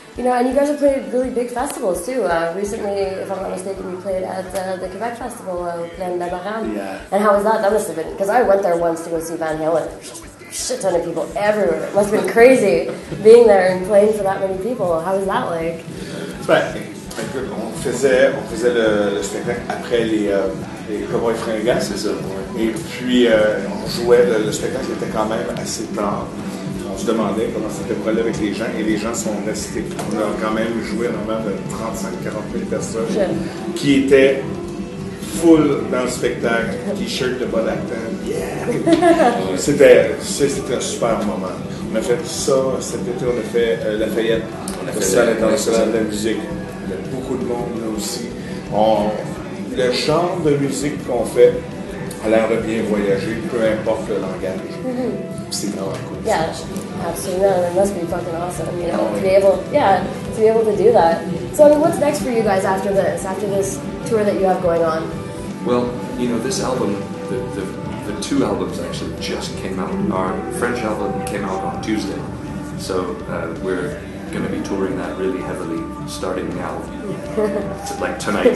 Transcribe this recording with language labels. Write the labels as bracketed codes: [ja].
[en] You know, and you guys have played really big festivals too. Recently, if I'm not mistaken, you played at the Quebec Festival of Plan de Baham. Yeah. And how was that? That must have been, because I went there once to go see Van Halen. Shit ton of people everywhere. It must have been crazy being there and playing for that many people. How was that like? [fr] Ben, écoute, on faisait le spectacle après les Cowboys Fringants, c'est ça. Et puis, on jouait le spectacle était quand même assez tard. On se demandait comment ça allait aller avec les gens, et les gens sont restés. On a quand même joué normalement de 35-40 000 personnes qui étaient full dans le spectacle, t-shirt de Bodhaktan. Yeah! C'était un super moment. On a fait ça, cet été, on a fait Lafayette, le Festival international de la musique. Il y a beaucoup de monde là aussi. Le genre de musique qu'on fait a l'air de bien voyager, peu importe le langage. Mm-hmm. [en] Cool. Yeah, absolutely. It must be fucking awesome, you know, to be able to do that. So, I mean, what's next for you guys after this tour that you have going on? Well, you know, this album, the two albums actually just came out. Our French album came out on Tuesday, so we're going to be touring that really heavily starting now, like tonight.